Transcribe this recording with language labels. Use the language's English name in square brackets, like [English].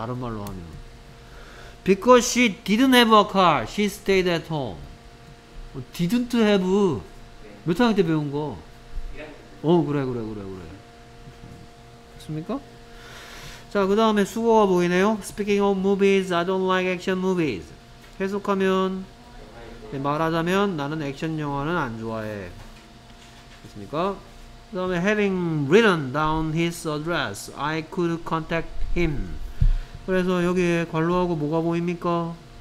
[English] 다른 말로 하면 because she didn't have a car, she stayed at home. [Korean] didn't have 몇 학년 때 배운 거? 어 그래 됐습니까? 자 그 다음에 수거가 보이네요. [English] speaking of movies, I don't like action movies. [Korean] 해석하면 네, 말하자면 나는 액션 영화는 안 좋아해. 됐습니까? 그 다음에 [English] having written down his address, I could contact him. [Korean] 그래서 여기에 괄호하고 뭐가 보입니까?